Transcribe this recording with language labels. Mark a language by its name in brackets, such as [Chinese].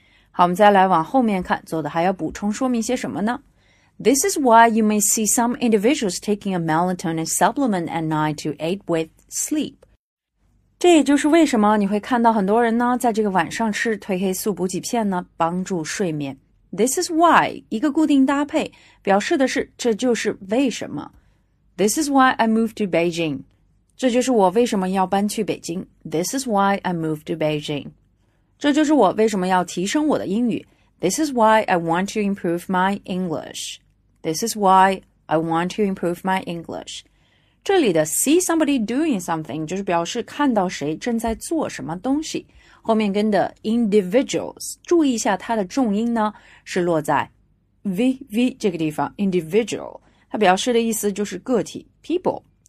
[Chinese] 好我们再来往后面看作者还要补充说明些什么呢 [English] This is why you may see some individuals taking a melatonin supplement at night to aid with sleep. [Chinese] 这也就是为什么你会看到很多人呢在这个晚上吃褪黑素补给片呢帮助睡眠。 This is why, 一个固定搭配表示的是这就是为什么。 [English] This is why I moved to Beijing. [Chinese] 这就是我为什么要搬去北京。 [English] This is why I moved to Beijing. [Chinese] 这就是我为什么要提升我的英语。 [English] This is why I want to improve my English. This is why I want to improve my English. [Chinese] 这里的 see somebody doing something 就是表示看到谁正在做什么东西。后面跟的 individuals, 注意一下它的重音呢是落在 VV 这个地方 individual, 它表示的意思就是个体 people。